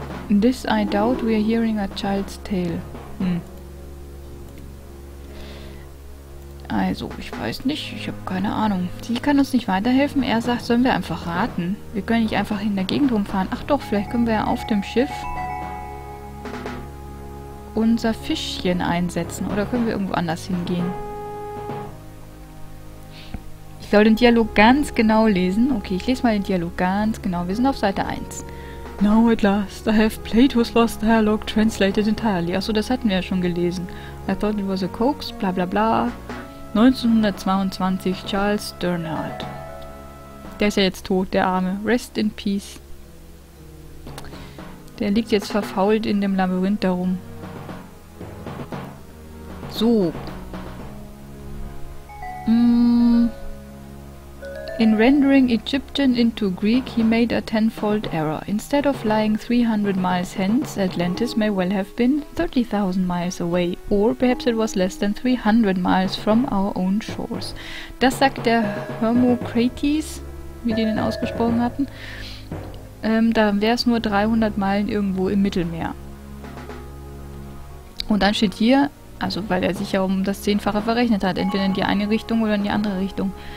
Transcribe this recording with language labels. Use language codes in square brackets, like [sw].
[en] This I doubt, we are hearing a child's tale. Hm. [de] Also, ich weiß nicht, ich habe keine Ahnung. Sie kann uns nicht weiterhelfen, er sagt, sollen wir einfach raten? Wir können nicht einfach in der Gegend rumfahren. Ach doch, vielleicht können wir ja auf dem Schiff... unser Fischchen einsetzen. Oder können wir irgendwo anders hingehen? Ich soll den Dialog ganz genau lesen. Okay, ich lese mal den Dialog ganz genau. Wir sind auf Seite 1. [en] Now at last, I have Plato's lost dialogue translated entirely. [de] Achso, das hatten wir ja schon gelesen. [en] I thought it was a coax, bla bla bla. 1922, Charles Sternhardt. [de] Der ist ja jetzt tot, der Arme. Rest in peace. Der liegt jetzt verfault in dem Labyrinth darum. So. [en] In rendering Egyptian into Greek, he made a tenfold error. Instead of lying 300 miles hence, Atlantis may well have been 30,000 miles away. or perhaps it was less than 300 miles from our own shores. [de] Das sagt der Hermokrates, wie die den ausgesprochen hatten. Da wäre es nur 300 Meilen irgendwo im Mittelmeer. Und dann steht hier, also weil er sich ja um das Zehnfache verrechnet hat, entweder in die eine Richtung oder in die andere Richtung.